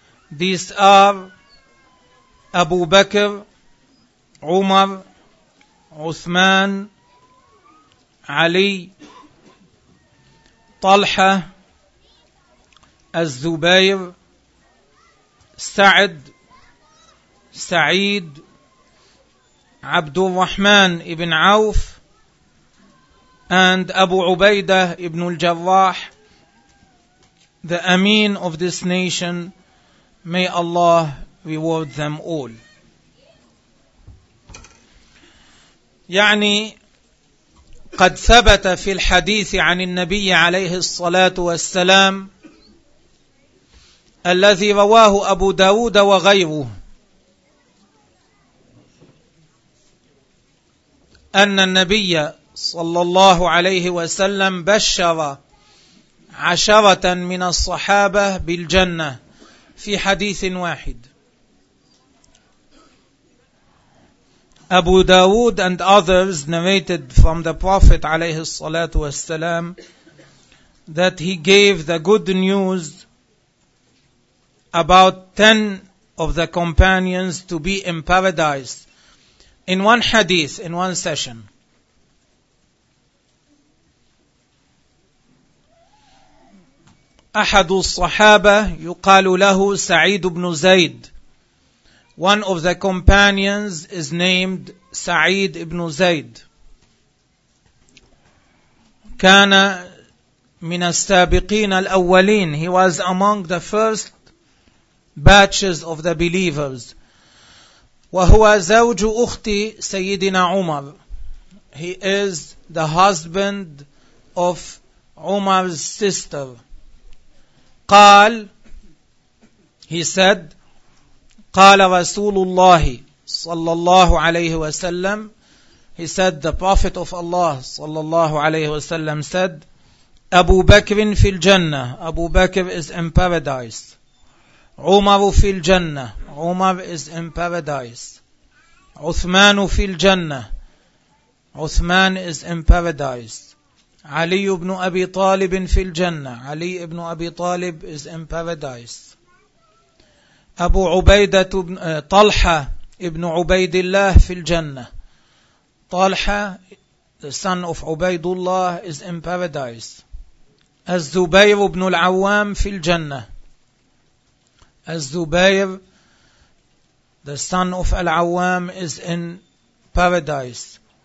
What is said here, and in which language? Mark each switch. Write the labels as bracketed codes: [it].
[en] These are Abu Bakr, Umar, Uthman, Ali, Talha, Az-Zubayr, Sa'd, سعيد، عبد الرحمن ابن عوف، and أبو عبيدة ابن الجراح، the Amin of this nation. May Allah reward them all. [ar] يعني قد ثبت في الحديث عن النبي عليه الصلاة والسلام الذي رواه أبو داود وغيره أن النبي صلى الله عليه وسلم بشر عشرة من الصحابة بالجنة في حديث واحد. [en] أبو داود and others narrated from the Prophet عليه الصلاة والسلام that he gave the good news about 10 of the companions to be in paradise in one hadith, in one session. [ar] أحد الصحابة يقال له سعيد بن زيد. [en] One of the companions is named سعيد بن زيد. [ar] كان من السابقين الأولين. [en] He was among the first batches of the believers. [ar] وهو زوج أختي سيدنا عمر. [en] He is the husband of عمر's sister. [ar] قال [en] He said [ar] قال رسول الله صلى الله عليه وسلم [en] He said the Prophet of Allah [ar] صلى الله عليه وسلم [en] said [ar] أبو بكر في الجنة. [en] أبو بكر is in paradise. [ar] عمر في الجنة. [en] عمر is in paradise. [ar] عثمان في الجنة. [en] عثمان is in paradise. [ar] علي بن أبي طالب في الجنة. [en] علي بن أبي طالب is in paradise. أبو عبيدة بن طلحة [ar] ibn Ubaydillah fil Jannah. [en] Talha, the son of Ubaydullah, is in paradise. [ar] Az-Zubayr ibn al-Awwam fil Jannah. [en] Az-Zubayr, the son of al-Awwam, is in paradise.